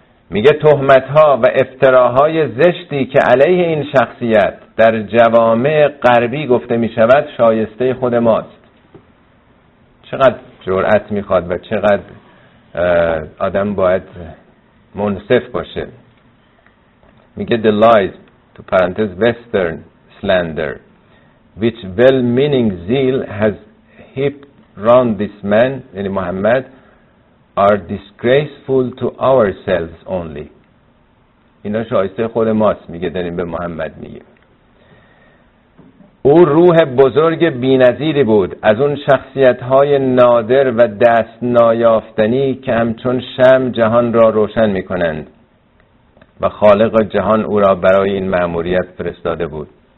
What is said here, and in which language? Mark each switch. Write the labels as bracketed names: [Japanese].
[Persian] میگه تهمت‌ها و افتراهای زشتی که علیه این شخصیت در جوامع غربی گفته می‌شود شایسته خود ماست. چقدر جرأت می‌خواد و چقدر آدم باید منصف باشه. [English] میگه the lies [Persian] تو پرانتز [English] western slander which well meaning zeal has heaped round this man [Persian] یعنی محمد [English] are disgraceful to ourselves only. [Persian] اینا شایسته خود ماست میگه داریم به محمد میگه. او روح بزرگ بی‌نظیری بود، از اون شخصیت‌های نادر و دست نایافتنی که همچون شمع جهان را روشن می‌کنند و خالق جهان او را برای این مأموریت فرستاده بود.